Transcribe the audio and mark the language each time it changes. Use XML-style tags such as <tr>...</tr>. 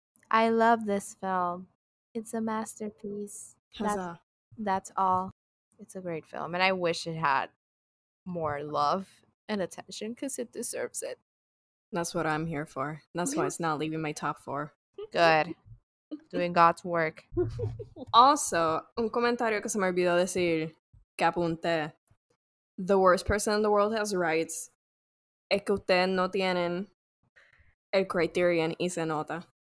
<en>I love this film. It's a masterpiece. That's all. It's a great film, and I wish it had more love and attention because it deserves it. That's what I'm here for. That's why it's not leaving my top four. Good. Doing God's work. Also,</en> <es>un comentario que se me olvidó decir.</es> <en>Capunte, the worst person in the world has rights.</en> <es>Es que ustedes no tienen el criterion y se nota.</es>